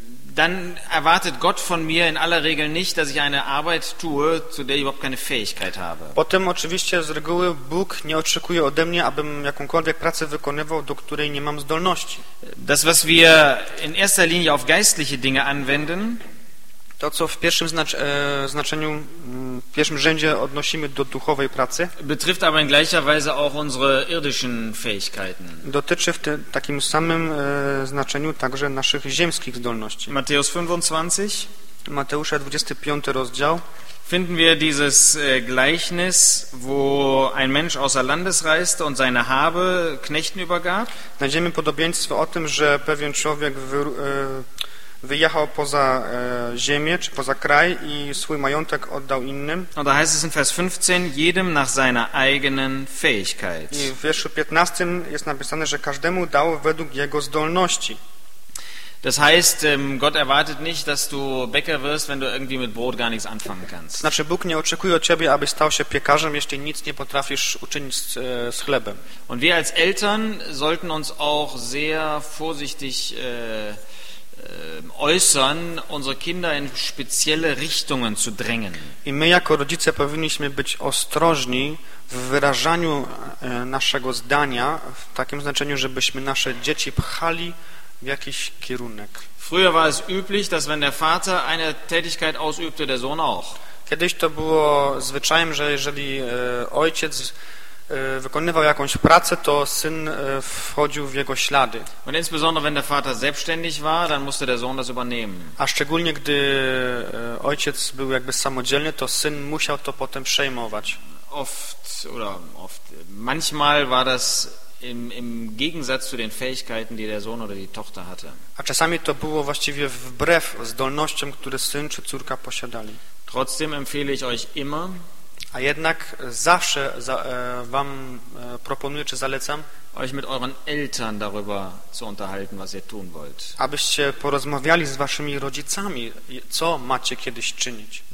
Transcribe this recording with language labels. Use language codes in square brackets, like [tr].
[de] Dann erwartet Gott von mir in aller Regel nicht, dass ich eine Arbeit tue, zu der ich überhaupt keine Fähigkeit habe. [pl] Potem oczywiście z reguły Bóg nie oczekuje ode mnie, abym jakąkolwiek pracę wykonywał, do której nie mam zdolności. [de] Das, was wir in erster Linie auf geistliche Dinge anwenden, [pl] to, co w pierwszym znaczeniu, w pierwszym rzędzie odnosimy do duchowej pracy, [de] betrifft aber in gleicher Weise auch unsere irdischen Fähigkeiten. [pl] Dotyczy w takim samym znaczeniu także naszych ziemskich zdolności. Mateusz 25. Mateusza 25 rozdział. [de] Finden wir dieses Gleichnis, wo ein Mensch außer Landes reiste und seine Habe Knechten übergab. [pl] Znajdziemy podobieństwo o tym, że pewien człowiek wyjechał poza ziemię czy poza kraj i swój majątek oddał innym. [de] No, da heißt es in Vers 15 jedem nach seiner eigenen Fähigkeit. [pl] I w wierszu 15 jest napisane, że każdemu dał według jego zdolności. [de] Das heißt, Gott erwartet nicht, dass du Bäcker wirst, wenn du irgendwie mit Brot gar nichts anfangen kannst. [pl] Znaczy, Bóg nie oczekuje od ciebie, abyś stał się piekarzem, jeśli nic nie potrafisz uczynić z chlebem. [de] Und wir als Eltern sollten uns auch sehr vorsichtig äußern, unsere Kinder in spezielle Richtungen zu drängen. [pl] I my jako rodzice powinniśmy być ostrożni w wyrażaniu naszego zdania w takim znaczeniu, żebyśmy nasze dzieci pchali w jakiś kierunek. [de] Früher war es üblich, dass wenn der Vater eine Tätigkeit ausübte, der Sohn auch. [pl] Kiedyś to było zwyczajem, że jeżeli ojciec wykonywał jakąś pracę, to syn wchodził w jego ślady. [de] Und insbesondere wenn der Vater selbstständig war, dann musste der Sohn das übernehmen. [pl] A szczególnie gdy ojciec był jakby samodzielny, to syn musiał to potem przejmować. [de] Oft manchmal war das im Gegensatz zu den Fähigkeiten, die der Sohn oder die Tochter hatte. [pl] A czasami to było właściwie wbrew zdolnościom, które syn czy córka posiadali. [de] Trotzdem empfehle ich euch immer. [pl] A jednak zawsze wam proponuję, czy zalecam, [de] euch mit euren Eltern darüber zu unterhalten, was ihr tun wollt. [pl] Abyście porozmawiali z waszymi rodzicami, co macie kiedyś czynić.